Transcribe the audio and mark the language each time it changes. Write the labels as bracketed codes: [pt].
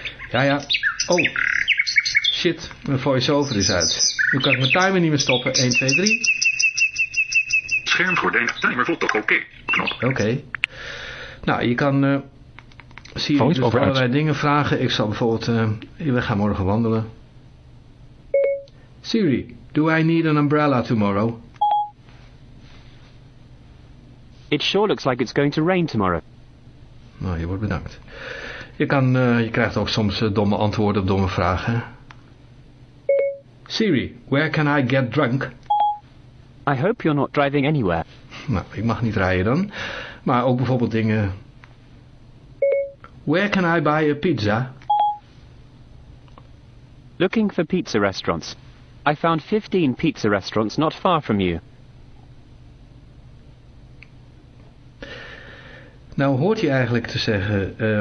[nl] Ja, ja. Oh, shit. Mijn voice-over is uit. Nu kan ik mijn timer niet meer stoppen. 1, 2, 3. Schermgordijn, timer voelt toch oké. Oké. Nou, je kan Siri dus allerlei dingen vragen. Ik zal bijvoorbeeld, we gaan morgen wandelen. [en] Siri, do I need an umbrella tomorrow? It sure looks like it's going to rain tomorrow. [nl] Nou, je wordt bedankt. Je krijgt ook soms domme antwoorden op domme vragen. [en] Siri, where can I get drunk? I hope you're not driving anywhere. [nl] Nou, ik mag niet rijden dan. Maar ook bijvoorbeeld dingen. [en] Where can I buy a pizza? Looking for pizza restaurants. I found 15 pizza restaurants not far from you. [nl] Nou, hoort je eigenlijk te zeggen...